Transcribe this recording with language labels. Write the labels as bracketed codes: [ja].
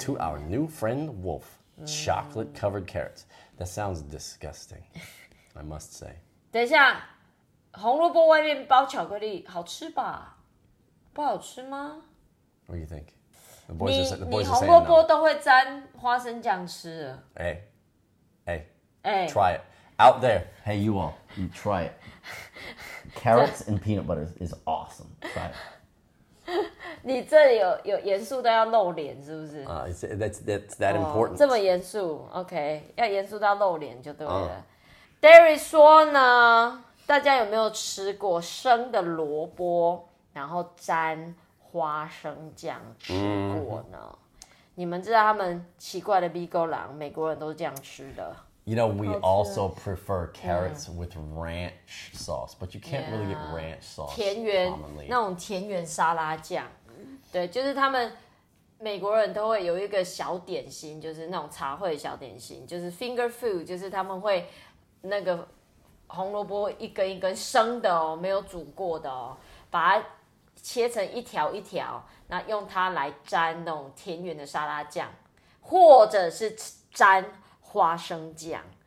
[en] To our new friend Wolf, chocolate covered carrots. That sounds disgusting, I must say. [zh] 等一下，红萝卜外面包巧克力，好吃吧？不好吃吗？ [en] What do you think? [zh] 你红萝卜都会沾花生酱吃了。 [en] 哎，哎，哎 ，try it out there. Hey, you all, you try it. Carrots and peanut butter is awesome. Try it. [zh] 你这里有严肃到要露脸是不是？ [en] That's important. [zh] 这么严肃 ，OK， 要严肃到露脸就对了。 Derry 说呢，大家有没有吃过生的萝卜，然后沾？花生酱吃过呢、嗯、你们知道他们奇怪的 Beagle 狼美国人都是这样吃的 [en] You know we also prefer carrots、嗯、with ranch sauce But you can't、yeah. really get ranch sauce [zh] 田园那种田园沙拉酱对就是他们美国人都会有一个小点心就是那种茶会小点心就是 finger food 就是他们会那个红萝卜一根一根生的哦没有煮过的哦把它切成一条一条，那用它来沾那种田园的沙拉酱，或者是沾花生酱。